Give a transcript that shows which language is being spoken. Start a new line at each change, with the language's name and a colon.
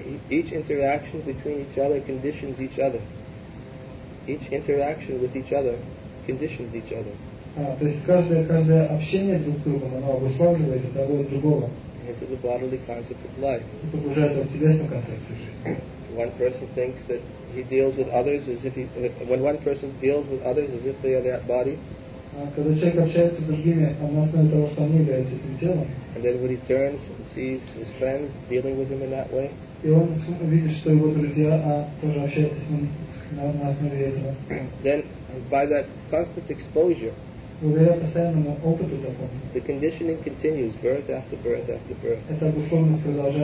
English: Each interaction between each other conditions each other. Each interaction with each other conditions each other.
Russian: То есть каждое общение друг с другом, оно обуславливает того и другого.
English: Into the bodily concept of life. One person thinks that he deals with others as if he, when one person deals with others as if they are that body, and then when he turns and sees his friends dealing with him in that way, then by that constant exposure, the conditioning continues, birth after birth after birth.